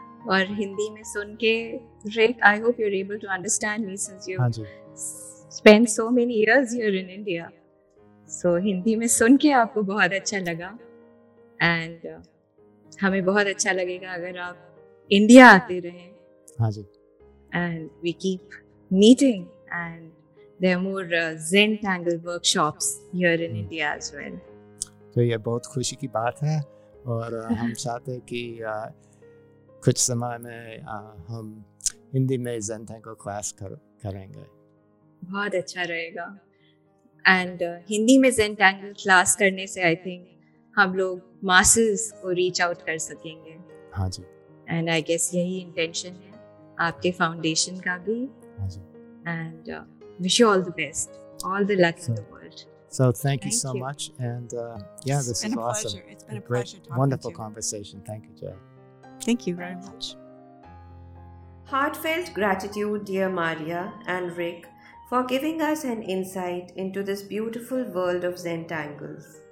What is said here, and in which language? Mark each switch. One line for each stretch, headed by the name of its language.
Hindi: और हिंदी में सुनके
English: Rick, I hope you're able to understand me since you spent so many years here in India.
Hindi: So Hindi में सुनके आपको बहुत अच्छा लगा. And हमें बहुत अच्छा लगेगा अगर आप इंडिया आते रहें. हाँ जी.
English: And we keep meeting and there are more Zentangle workshops here in India as well.
Hindi: तो ये बहुत खुशी की बात है और हम चाहते हैं कि कुछ समय में हम हिंदी में Zentangle class करेंगे. बहुत अच्छा रहेगा. And हिंदी में Zentangle class करने से
English: I think
Hindi: हम लोग masses को
English: reach out
Hindi: कर सकेंगे. हाँ जी.
English: And I guess
Hindi: यही intention है आपके foundation का भी. हाँ जी.
English: And wish you all the best, all the luck in the world. So thank you so much. And this is awesome. It's been a It's been a pleasure talking to you. Wonderful conversation. Thank you, Jay. Thank you very much. Heartfelt gratitude, dear Maria and Rick, for giving us an insight into this beautiful world of Zentangles.